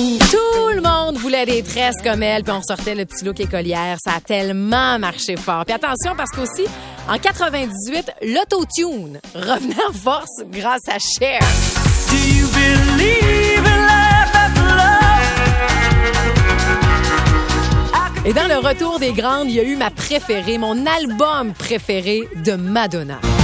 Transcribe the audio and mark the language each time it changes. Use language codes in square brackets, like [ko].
[fr] Tout le monde voulait des tresses comme elle, puis on sortait le petit look écolière. Ça a tellement marché fort. Puis attention, parce qu'aussi, en 98, l'autotune revenait en force grâce à Cher. [en] Do you believe in life after love? [fr] Et dans le retour des grandes, il y a eu ma préférée, mon album préféré de Madonna.